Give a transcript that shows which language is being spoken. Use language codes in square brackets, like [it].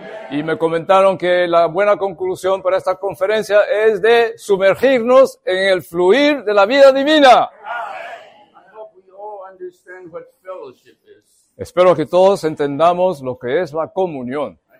[es] Y me comentaron que la buena conclusión para esta conferencia es de sumergirnos en el fluir de la vida divina. [en] I hope we all understand what fellowship is. [es] Espero que todos entendamos lo que es la comunión.